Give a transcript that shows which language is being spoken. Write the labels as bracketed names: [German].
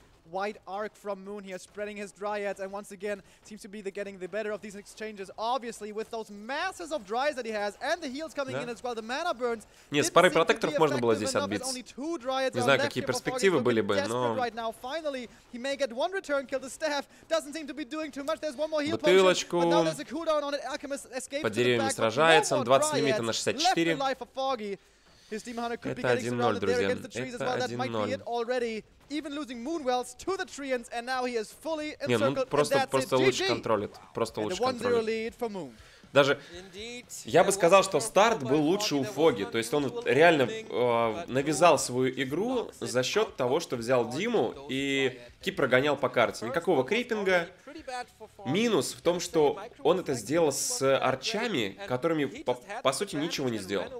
[English] White arc from Moon here, spreading his dryads, and once again seems to be the getting the better of these exchanges. Obviously, with those masses of dryads that he has, and the heals coming in as well, the mana burns. [Russian] Нет, с парой протекторов можно было здесь отбиться. Не знаю, какие перспективы были бы, но. [English] Right now, finally, he may get one return kill. The staff doesn't seem to be doing too much. There's one more heal potion. [Russian] Бутылочку. [English] But now there's a cooldown on it. Alchemist escapes. [Russian] Под деревьями сражается, 20 лимита на 64. Это 1-0, друзья. Это 1-0. [English] Even losing Moonwells to the Treants, and now he is fully encircled. [Russian] Не, ну просто лучше контролит. Просто лучше контролит. Даже я бы сказал, что старт был лучше у Фоги. То есть он реально навязал свою игру за счет того, что взял Диму и Кип прогонял по карте. Никакого крипинга. Минус в том, что он это сделал с арчами, которыми по сути ничего не сделал.